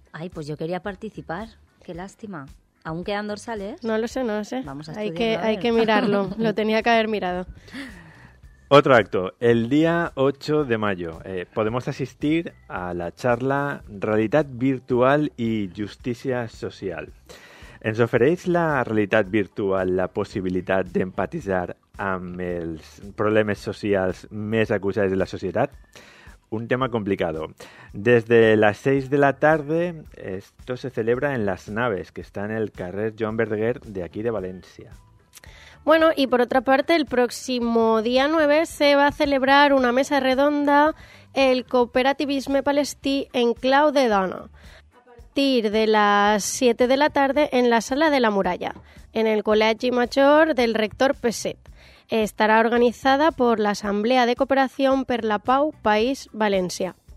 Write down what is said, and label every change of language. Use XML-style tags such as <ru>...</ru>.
<es>Ay, pues yo quería participar, qué lástima. ¿Aún quedan dorsales? No lo sé, no lo sé. Vamos a estudiarlo. Hay que mirarlo, lo tenía que haber mirado. Otro acto, el día 8 de mayo, podemos asistir a la charla Realidad Virtual y Justicia Social.</es> <ca>¿Ens ofereix la realitat virtual la possibilitat d'empatitzar amb els problemes socials més acusats de la societat?</ca> <es>Un tema complicado. Desde las 6 de la tarde, esto se celebra en Las Naves, que está en el carrer Joan Verdaguer de aquí de Valencia. Bueno, y por otra parte, el próximo día 9 se va a celebrar una mesa redonda, el cooperativisme palestí en Clau de Dona, a partir de las 7 de la tarde en la Sala de la Muralla, en el Col·legi Major del rector Peset.</es> <ca>Estarà organitzada per l'Assemblea de Cooperació per la Pau País València.</ca>